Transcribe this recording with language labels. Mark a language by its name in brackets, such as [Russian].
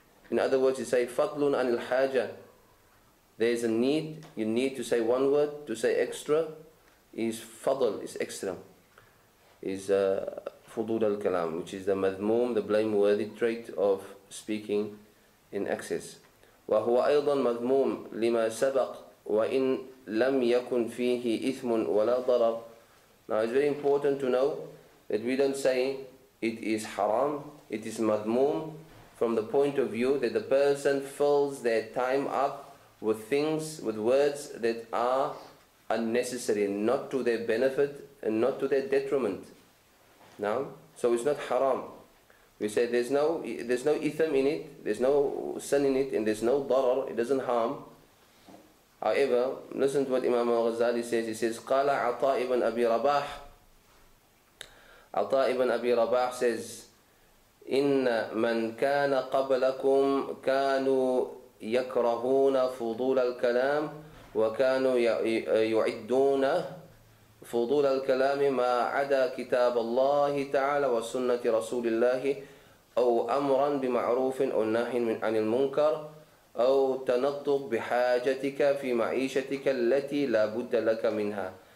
[English] In other words, you say [Arabic] fadlun anil haja. [English] There is a need, you need to say one word. To say extra is fadl, is extra. Is [Arabic] fudul al-kalam, [English] which is the madhmum, the blameworthy trait of speaking in excess. [Arabic] وهو أيضا مذموم لما سبق وإن لم يكن فيه إثم ولا ضرر. [English] Now it's very important to know that we don't say it is haram, it is madhmum, from the point of view that the person fills their time up with things, with words that are unnecessary, not to their benefit and not to their detriment. Now, so it's not haram. We say there's no itham in it, there's no sin in it, and there's no darar, it doesn't harm. However, listen to what Imam al-Ghazali says. He says, [Arabic] قَالَ [English] عَطَى ibn أَبِي رَبَاحَ. [Arabic] عَطَى ibn أَبِي رَبَاحَ [English] says, [Arabic] إِنَّ مَنْ كَانَ قَبْلَكُمْ كَانُوا يَكْرَهُونَ فُضُولَ الْكَلَامِ وَكَانُوا يُعِدُّونَ فضول الكلام ما عدا كتاب الله تعالى وسنة رسول الله أو أمرا بمعروف أو نهي من عن المنكر أو تنطق بحاجتك في معيشتك التي لا بد لك منها.